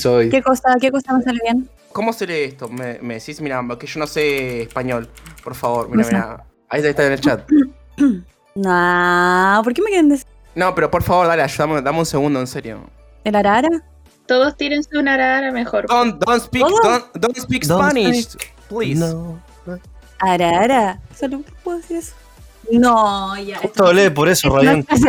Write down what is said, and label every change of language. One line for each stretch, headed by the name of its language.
Spanish: ¿Qué cosa no sale bien? ¿Cómo se lee esto? Me decís, mira, que yo no sé español. Por favor, mira. Ahí está en el chat. No, ¿por qué me quieren decir? No, pero por favor, dale, ayúdame, dame un segundo, en serio. ¿El arara? Todos tírense un arara mejor.
English: Don't speak Spanish, please.
Spanish: No. Arara, solo puedo decir eso. No, ya. Justo hablé por eso, Ryan.